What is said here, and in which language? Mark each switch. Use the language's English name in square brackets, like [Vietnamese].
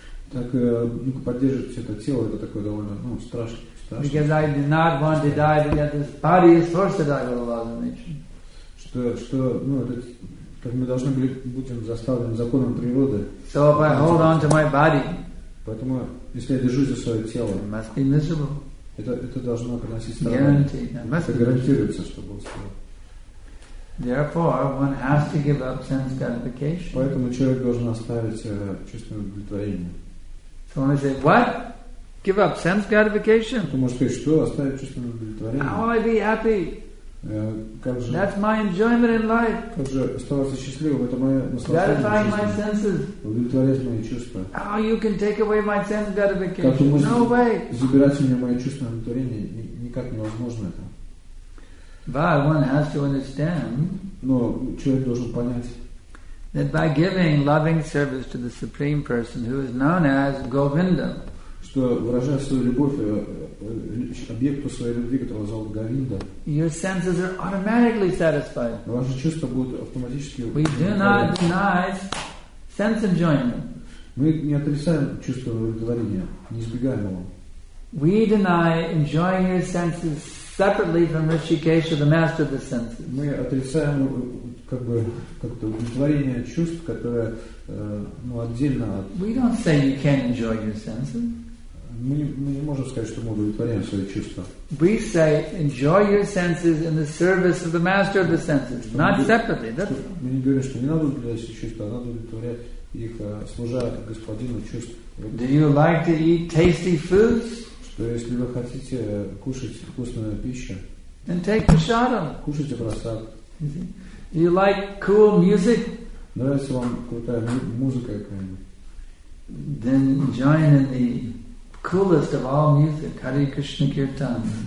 [English] Because I do not want to die, but yet this body is forced to die with the laws of nature. [Russian] Как мы должны были будем заставлены законом природы. [English] So if I hold on to my body, [Russian] поэтому если я держусь за свое тело, [English] it must be miserable. [Russian] Это должно приносить страдания. Это гарантируется, что будет страдать. [English] One has to give up sense gratification. [Russian] Поэтому человек должен оставить чувство удовлетворения. [English] So when I say what? Give up sense gratification? [Russian] Ты можешь сказать, что оставить чувство удовлетворения? [English] How will I be happy? That's my enjoyment in life. Gratifying my senses. How you can take away my sense gratification? No way. [Russian] Забирать у меня мои чувства удовлетворения никак невозможно это. [English] But one has to understand. [Russian] Но человек должен понять. [English] That by giving loving service to the Supreme Person, who is known as Govinda. [Russian] Что выражая свою любовь объекту своей любви, которого зовут Говинда, [English] your senses are automatically satisfied. [Russian] Ваши чувства будут автоматически. [English] We do not deny sense enjoyment. [Russian] Мы не отрицаем чувство удовлетворения, не избегаем его. [English] We deny enjoying your senses separately from Rishikesha, the master of the senses. [Russian] Мы отрицаем как-то удовлетворение чувств, которое отдельно от. [English] We don't say you can't enjoy your senses. [Russian] Мы не можем сказать, что мы удовлетворяем свои чувства. [English] We say, enjoy your senses in the service of the master of the senses, not separately. [Russian] Мы не говорим, что не надо удовлетворять свои чувства, а надо удовлетворять их, служа господину чувств. [English] Do you like to eat tasty foods? [Russian] Что если вы хотите кушать вкусную пищу, [English] then take prasadam. [Russian] Кушайте прасад. [English] Do you like cool music? [Russian] Нравится вам крутая музыка какая-нибудь? [English] Then join in the coolest of all music, Hare Krishna Kirtan.